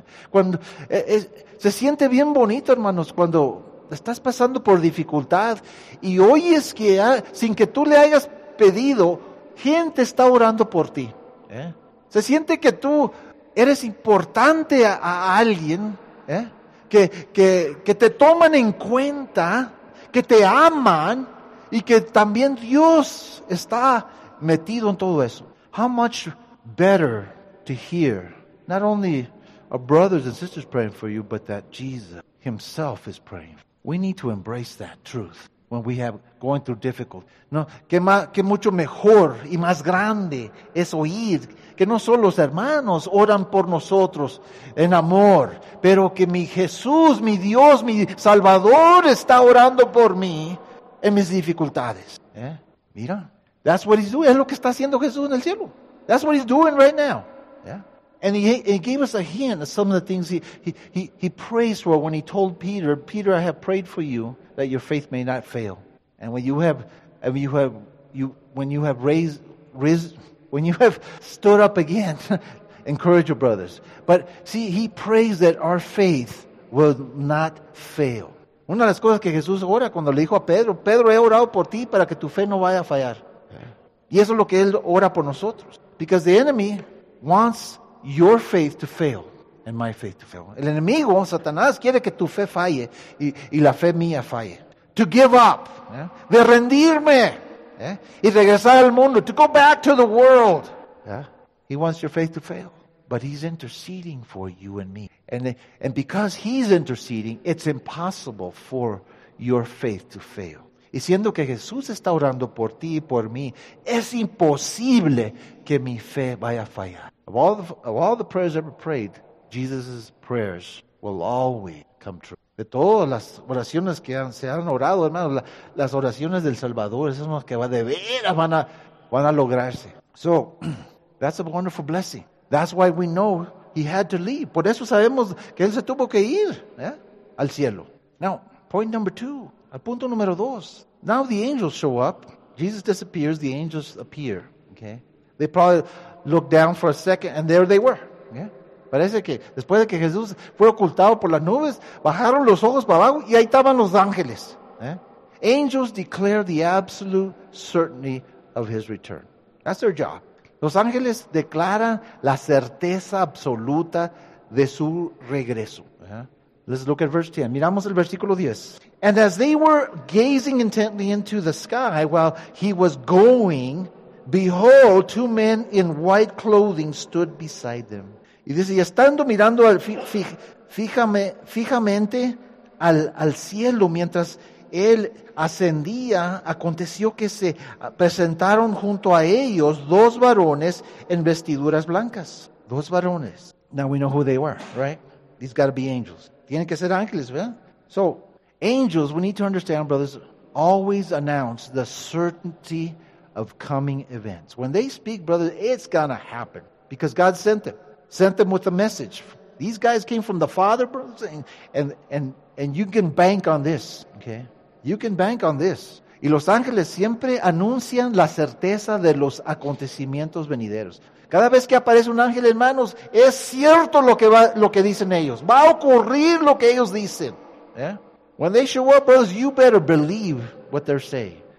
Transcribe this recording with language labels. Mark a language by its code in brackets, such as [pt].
[es] Cuando, se siente bien bonito, hermanos, cuando estás pasando por dificultad, y oyes que, sin que tú le hayas pedido, gente está orando por ti. Se siente que tú eres importante a alguien, que te toman en cuenta, que te aman y que también Dios está metido en todo eso. [en] How much better to hear not only our brothers and sisters praying for you, but that Jesus himself is praying. We need to embrace that truth when we have going through difficulty. [es] No, que mucho mejor y más grande es oír que no solo los hermanos oran por nosotros en amor, pero que mi Jesús, mi Dios, mi Salvador está orando por mí en mis dificultades. [en] Mira, that's what he's doing. [es] Es lo que está haciendo Jesús en el cielo. [en] That's what he's doing right now. Yeah. And he gave us a hint of some of the things he prays for when he told Peter, "Peter, I have prayed for you that your faith may not fail. And when you have stood up again, encourage your brothers." But see, he prays that our faith will not fail. [es] Una de las cosas que Jesús ora cuando le dijo a Pedro, "Pedro, he orado por ti para que tu fe no vaya a fallar." Y eso es lo que él ora por nosotros. [en] Because the enemy wants your faith to fail and my faith to fail. [es] El enemigo, Satanás, quiere que tu fe falle y la fe mía falle. [en] To give up. Yeah. [es] De rendirme. [en] Yeah. [es] Y regresar al mundo. [en] To go back to the world. Yeah. He wants your faith to fail. But he's interceding for you and me. And because he's interceding, it's impossible for your faith to fail. [es] Y siendo que Jesús está orando por ti y por mí, es imposible que mi fe vaya a fallar. [en] Of all the prayers ever prayed, Jesus' prayers will always come true. [es] De todas las oraciones que se han orado, hermano, las oraciones del Salvador, esas son las que de veras van a lograrse. [en] So, that's a wonderful blessing. That's why we know he had to leave. [es] Por eso sabemos que él se tuvo que ir, ¿eh?, al cielo. [en] Now, point number two. [es] Al punto número dos. [en] Now the angels show up. Jesus disappears. The angels appear. Okay. They probably looked down for a second and there they were. Yeah. [es] Parece que después de que Jesús fue ocultado por las nubes, bajaron los ojos para abajo y ahí estaban los ángeles. [en] Yeah. Angels declare the absolute certainty of his return. That's their job. [es] Los ángeles declaran la certeza absoluta de su regreso. [en] Yeah. Let's look at verse 10. [es] Miramos el versículo 10. [en] And as they were gazing intently into the sky while he was going, behold, two men in white clothing stood beside them. [es] Y dice, y estando mirando fijamente al cielo mientras él ascendía, aconteció que se presentaron junto a ellos dos varones en vestiduras blancas. Dos varones. [en] Now we know who they were, right? These got to be angels. [es] Tienen que ser ángeles, ¿verdad? [en] So, angels, we need to understand, brothers, always announce the certainty of coming events. When they speak, brothers, it's going to happen. Because God sent them with a message. These guys came from the Father, brothers, and you can bank on this, okay? You can bank on this. [es] Y los ángeles siempre anuncian la certeza de los acontecimientos venideros. Cada vez que aparece un ángel, hermanos, es cierto lo que dicen ellos. Va a ocurrir lo que ellos dicen. [en] Yeah? When they show up, brothers, you better believe what they're saying.